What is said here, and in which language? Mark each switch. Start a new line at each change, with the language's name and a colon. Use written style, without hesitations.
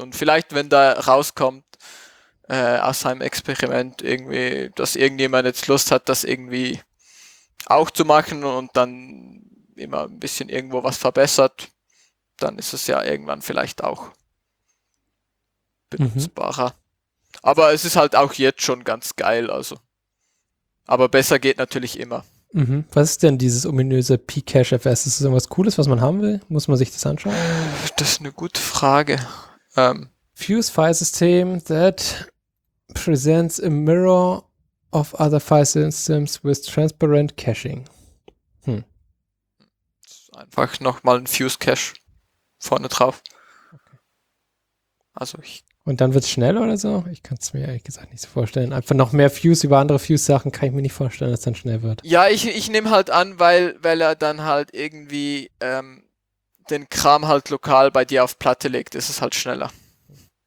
German: Und vielleicht, wenn da rauskommt aus seinem Experiment irgendwie, dass irgendjemand jetzt Lust hat, das irgendwie auch zu machen und dann immer ein bisschen irgendwo was verbessert, dann ist es ja irgendwann vielleicht auch benutzbarer. Mhm. Aber es ist halt auch jetzt schon ganz geil, also. Aber besser geht natürlich immer. Mhm. Was ist denn dieses ominöse pcachefs? Ist das irgendwas Cooles, was man haben will? Muss man sich das anschauen? Das ist eine gute Frage.
English: Fuse file system that presents a mirror of other file systems with transparent caching. Hm.
German: Einfach nochmal ein Fuse-Cache vorne drauf. Okay. Also ich. Und dann wird es schnell oder so? Ich kann es mir ehrlich gesagt nicht so vorstellen. Einfach noch mehr Fuse über andere Fuse-Sachen kann ich mir nicht vorstellen, dass es dann schnell wird. Ja, ich nehme halt an, weil er dann halt irgendwie den Kram halt lokal bei dir auf Platte legt, ist es halt schneller. Okay.